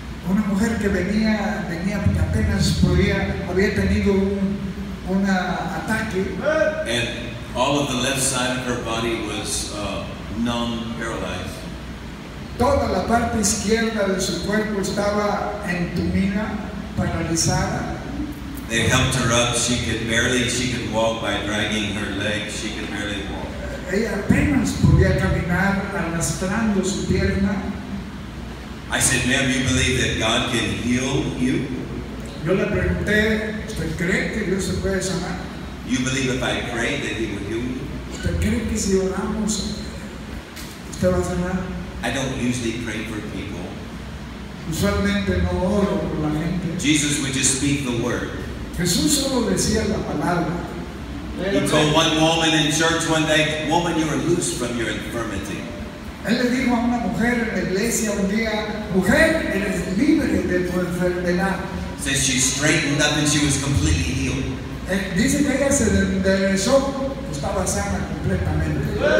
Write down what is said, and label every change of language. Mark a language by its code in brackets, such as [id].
[es] Una mujer que venía porque apenas podía, había tenido un ataque. [en] And all of the left side of her body was numb, paralyzed. [es] Toda la parte izquierda de su cuerpo estaba entumida, paralizada. [en] They helped her up. She could walk by dragging her leg. She could barely walk. [es] Ella apenas podía caminar arrastrando su pierna. [en] I said, ma'am, you believe that God can heal you? [es] Yo le pregunté, ¿usted cree que Dios se puede sanar? [en] You believe if I pray that he will heal me? [es] ¿Usted cree que si oramos, usted va a sanar? [en] I don't usually pray for people. [es] Usualmente no oro por la gente. [en] Jesus would just speak the word. [es] Jesús solo decía la palabra. [en] He told one woman in church one day, woman, you are loose from your infirmity. [es] Él le dijo a una mujer en la iglesia un día, mujer, eres libre de tu enfermedad. [en] Says she straightened up and she was completely healed. [es] Dice que ella se enderezó, estaba sana completamente.